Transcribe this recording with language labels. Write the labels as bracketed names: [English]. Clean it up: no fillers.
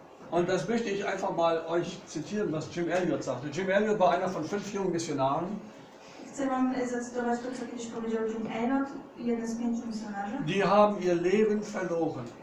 [German] Und das möchte ich einfach mal euch zitieren, was Jim Elliot sagte. Jim Elliot war einer von 5 jungen Missionaren. [Polish] chcę wam zacytować to, co kiedyś powiedział John Eynot, jeden z pięciu misjonarzy. [German] Die haben ihr Leben verloren.